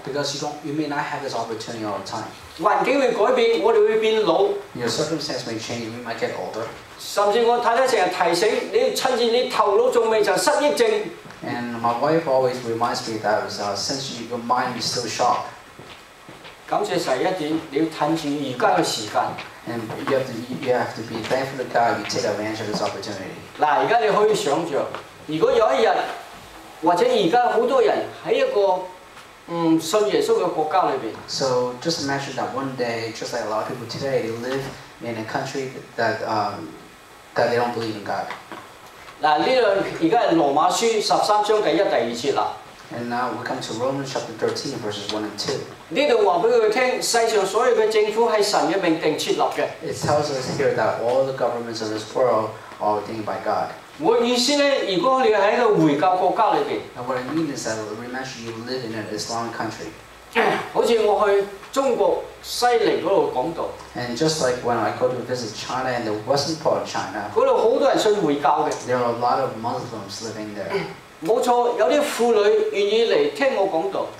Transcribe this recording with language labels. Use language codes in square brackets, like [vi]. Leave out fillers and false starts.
[en] Because you may not have this opportunity all the time. [yue] 環境會改變，我哋會變老。 [en] Your circumstance may change, we might get older. [yue] 甚至我太太成日提醒你，趁住你頭腦仲未就失憶症。 [en] And my wife always reminds me that since your mind is still sharp. [yue] 感謝神一點，你要趁住而家嘅時間。 [en] And you have to be thankful to God. You take advantage of this opportunity. [yue] 嗱，而家你可以想像，如果有一日，或者而家好多人喺一個信耶穌嘅國家裏邊。 [en] So just imagine that one day, just like a lot of people today, they live in a country that they don't believe in God. [yue] 嗱，呢樣而家係羅馬書十三章第一、第二節啦。 [en] And now we come to Romans chapter 13, verses 1 and 2. [yue] 呢度話俾佢聽，世上所有嘅政府係神嘅命定設立嘅。 [en] It tells us here that all the governments of this world are ordained by God. [yue] 我意思咧，如果你喺個回教國家裏邊 [en] ，And what I mean is that imagine you live in an Islamic country. [yue] 好似我去中國西寧嗰度講道。 [en] And just like when I go to visit China and the western part of China. [yue] 嗰度好多人信回教嘅。 [en] There are a lot of Muslims living there. [yue] 冇錯，有啲婦女願意嚟聽我講道。